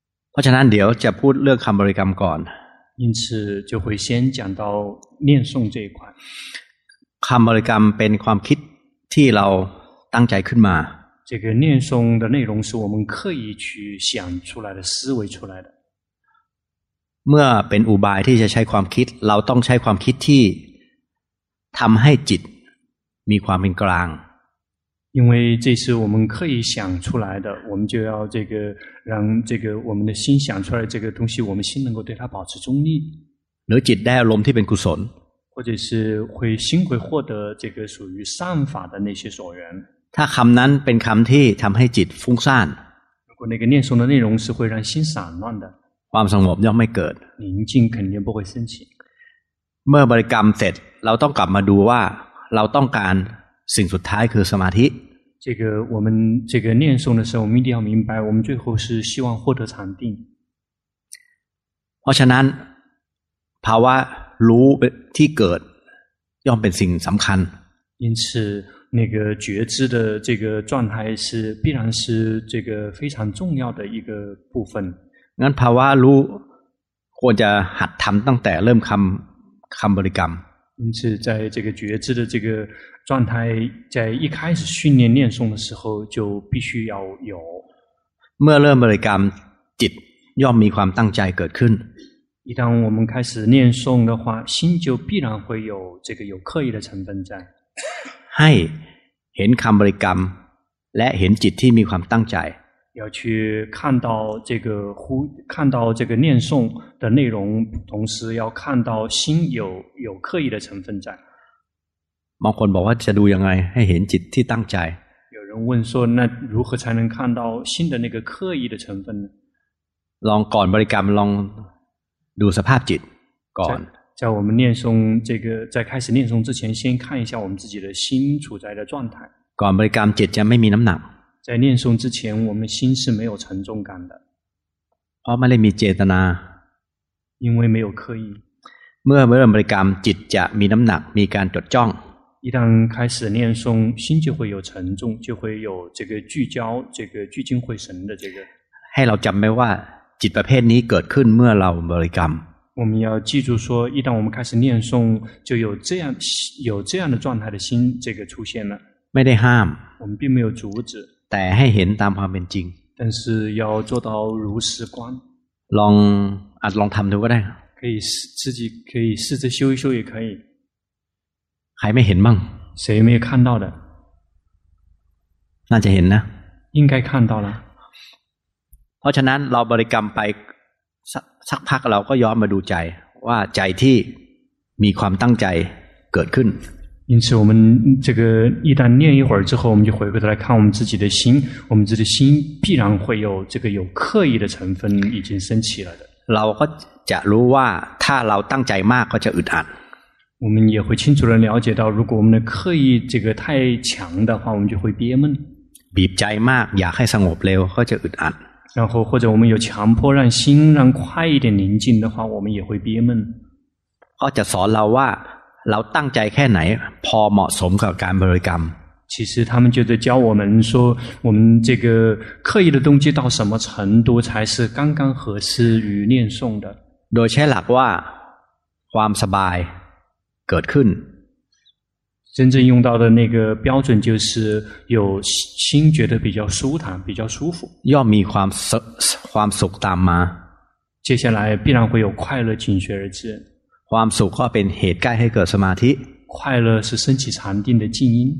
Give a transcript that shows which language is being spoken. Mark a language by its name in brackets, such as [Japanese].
[Thai] เพราะฉะนั้นเดี๋ยวจะพูดเรื่องคำบริกรรมก่อน [Chinese] 因此就会先讲到念诵这一块 [Thai] คำบริกรรมเป็นความคิดที่เราตั้งใจขึ้นมา [Chinese] 这个念诵的内容是我们刻意去想出来的思维出来的 [Thai] เมื่อเป็นอุบายที่จะใช้ความคิดเราต้องใช้ความคิดที่ทำให้จิตมีความเป็นกลาง [Chinese] 因为这是我们刻意想出来的我们就要这个让这个我们的心想出来这个东西我们心能够对它保持中立 [Thai] หรือจิตได้อารมณ์ที่เป็นกุศล [Chinese] 或者是会心会获得这个属于善法的那些所缘 [Thai] ถ้าคำนั้นเป็นคำที่ทำให้จิตฟุ้งซ่าน [Chinese] 如果那个念诵的内容是会让心散乱的 [Thai] ความสงบย่อมไม่เกิด [Chinese] 宁静肯定不会升起 [Thai] เมื่อบริกรรมเสร็จเราต้องกลับมาดูว่าเราต้องการสิ่งสุดท้ายคือสมาธิ [Chinese] 这个我们这个念诵的时候我们一定要明白我们最后是希望获得禅定 [Thai] เพราะฉะนั้นภาวะรู้ที่เกิดย่อมเป็นสิ่งสำคัญ [Chinese] 因此那个觉知的这个状态是必然是这个非常重要的一个部分 [Thai] งั้นภาวะรู้ควรจะหัดทำตั้งแต่เริ่มคำบริกรรม [Chinese] 因此在这个觉知的这个状态在一开始训练念诵的时候就必须要有 [Thai] เมื่อเริ่มบริกรรมจิตย่อมมีความตั้งใจเกิดขึ้น [Chinese] 一旦我们开始念诵的话心就必然会有这个有刻意的成分在 [Thai] ให้เห็นคำบริกรรมและเห็นจิตที่มีความตั้งใจ [Chinese] 要去看到这个呼看到这个念诵的内容同时要看到心有刻意的成分在 [Thai] บางคนบอกว่าจะดูยังไงให้เห็นจิตที่ตั้งใจ [Chinese] 有人问说那如何才能看到心的那个刻意的成分呢 [Thai] ลองก่อนบริกรรมลองดูสภาพจิตก่อน [Chinese] 在我们念诵这个在开始念诵之前先看一下我们自己的心处在的状态 [Thai] ก่อนบริกรรมจิตจะไม่มีน้ำหนัก [Chinese] 在念诵之前我们心是没有沉重感的 [Thai] เพราะไม่ได้มีเจตนา [Chinese] 因为没有刻意 [Thai] เมื่อเริ่มบริกรรมจิตจะมีน้ำหนักมีการจดจ้อง [Chinese] 一旦开始念诵心就会有沉重就会有这个聚焦这个聚精会神的这个 [Thai] ให้เราจำไว้ว่าจิตประเภทนี้เกิดขึ้นเมื่อเราบริกรรม [Chinese] 我们要记住说一旦我们开始念诵就有这样的状态的心这个出现了 [Thai] ไม่ได้ห้าม [Chinese] 我们并没有阻止 [Thai] แต่ให้เห็นตามความเป็นจริง [Chinese] 但是要做到如实观 [Thai] ลองอาจลองทำดูก็ได้ [Chinese] 可以自己可以试着修一修也可以还没 [Thai] เห็นบ้าง [Chinese] 谁没有看到的 [Thai] น่าจะเห็นนะ [Chinese] 应该看到了 [Thai] เพราะฉะนั้นเราบริกรรมไปสักพักเราก็ย้อนมาดูใจว่าใจที่มีความตั้งใจเกิดขึ้น [Chinese] 因此我们这个一旦念一会儿之后我们就回过来看我们自己的心我们自己的心必然会有这个有刻意的成分已经升起了的 [Thai] เราก็จะรู้ว่าถ้าเราตั้งใจมากก็จะอึดอัด [Chinese] 我们也会清楚地了解到如果我们的刻意这个太强的话我们就会憋闷 [Thai] บีบใจมากอยากให้สงบเร็วก็จะอึดอัด [Chinese] 然后或者我们有强迫让心让快一点宁静的话我们也会憋闷 [Thai] เขาจะสอนเราว่าเราตั้งใจแค่ไหนพอเหมาะสมกับการบริกรรม [Chinese] 其实他们就在教我们说我们这个刻意的动机到什么程度才是刚刚合适于念诵的 [Thai] โดยใช้หลักว่าความสบายเกิดขึ้น [Chinese] 真正用到的那个标准就是有心觉得比较舒坦比较舒服 [Thai] ย่อมมีความสุขตามมา [Chinese] 接下来必然会有快乐紧随而至 [Thai] ความสุขก็เป็นเหตุใกล้ให้เกิดสมาธิ [Chinese] 快乐是升起禅定的静音